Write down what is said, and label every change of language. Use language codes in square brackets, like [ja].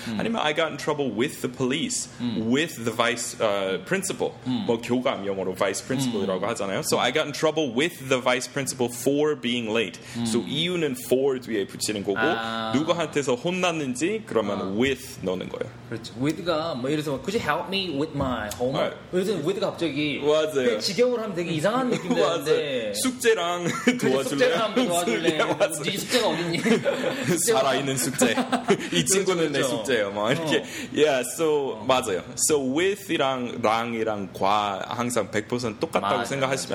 [en] 아니면 I got in trouble with the police, with the vice principal. [ko] 뭐 교감 영어로 vice principal이라고 하잖아요. [en] So I got in trouble with the vice principal for being late. [ko] So 이유는 for 뒤에 붙이는 거고 아. 누구한테서 혼났는지 그러면 아. with 넣는 거예요. 그렇죠. [en] with가 [ko] 뭐 예를 들어서 [en] could you help me with my homework? [ko] 요즘 with가 갑자기 맞아요. 직역으로 하면 되게 이상한 느낌 드는데 숙제랑 도와줄래? 숙제랑 한번 도와줄래? 네, 맞아요. 네 숙제가 어딨니? 살아있는 숙제. 이 친구는 내 숙제. 맞아요. 막 이렇게. 어. Yeah, so 어. 맞아요. So with이랑 랑이랑 과 항상 100% 똑같다고 맞아요, 생각하시면